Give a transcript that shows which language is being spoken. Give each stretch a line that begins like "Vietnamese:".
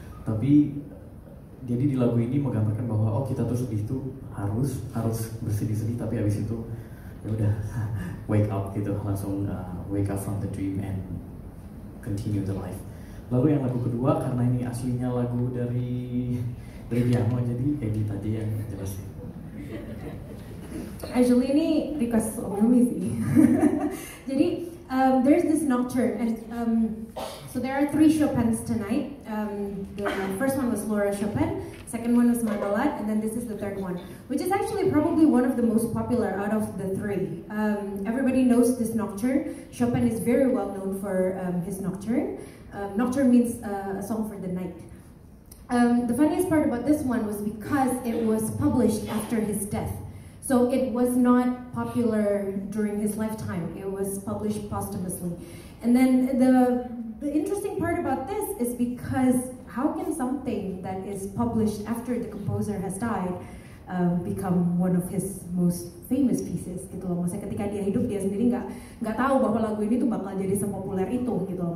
Indonesian: Tapi jadi di lagu ini menggambarkan bahwa oh, kita tuh sedih itu harus bersedih-sedih, tapi abis itu ya udah wake up gitu, langsung
English: wake up from the dream and continue the life.
Indonesian: Lalu yang lagu kedua, karena ini aslinya lagu dari piano, jadi edit aja yang jelas. Actually ini request Naomi sih.
English: Jadi there's this nocturne, and so there are 3 Chopins tonight. The first one was Laura Chopin, second one was Manolat, and then this is the third one, which is actually probably one of the most popular out of the 3. Everybody knows this nocturne. Chopin is very well known for his nocturne. Nocturne means a song for the night. The funniest part about this one was because it was published after his death. So it was not popular during his lifetime. It was published posthumously. And then the interesting part about this is because how can something that is published after the composer has died become one of his most famous pieces,
Indonesian: gitu loh. Maksudnya ketika dia hidup, dia sendiri nggak tahu bahwa lagu ini tuh bakal jadi sepopuler itu, gitu loh.